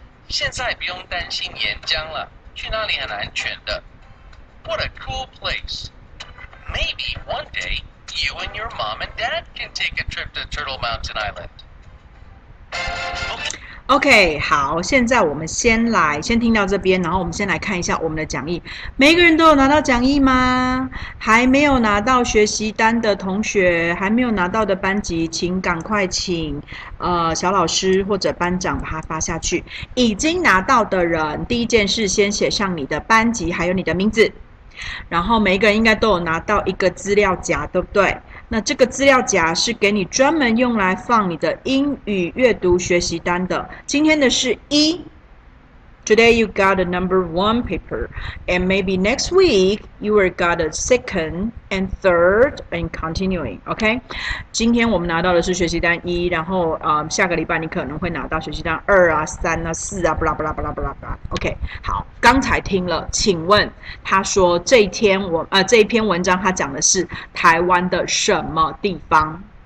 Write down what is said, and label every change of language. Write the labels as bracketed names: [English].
[Chinese] 现在不用担心岩浆了，去哪里很安全的。 [English] What a cool place. Maybe one day, you and your mom and dad can take a trip to Turtle Mountain Island. [Chinese] OK, 好，现在我们先听到这边，然后我们先来看一下我们的讲义。每个人都有拿到讲义吗？还没有拿到学习单的同学，还没有拿到的班级，请赶快请小老师或者班长把它发下去。已经拿到的人，第一件事先写上你的班级还有你的名字。然后每一个人应该都有拿到一个资料夹，对不对？那这个资料夹是给你专门用来放你的英语阅读学习单的。今天的是一 [English] ，Today you got a number one paper, and maybe next week you will got a second and third and continuing. [Chinese] OK， 今天我们拿到的是学习单一，然后下个礼拜你可能会拿到学习单二啊、三啊、四啊，巴拉巴拉巴拉巴拉巴拉。 OK， 好，刚才听了，请问他说这一天我这一篇文章他讲的是台湾的什么地方？